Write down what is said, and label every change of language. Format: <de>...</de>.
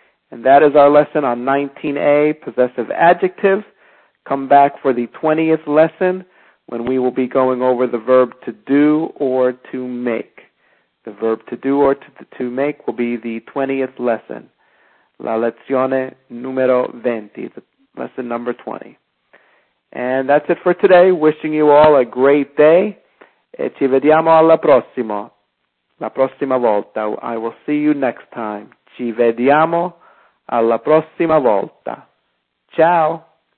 <en>And that is our lesson on 19A, possessive adjectives. Come back for the 20th lesson, when we will be going over the verb to do or to make. The verb to do or to make will be the 20th lesson.</en> <it>La lezione numero 20,</it> <en>the lesson number 20. And that's it for today. Wishing you all a great day.</en> <it>E ci vediamo alla prossima. La prossima volta.</it> <en>I will see you next time.</en> <it>Ci vediamo alla prossima volta. Ciao.</it>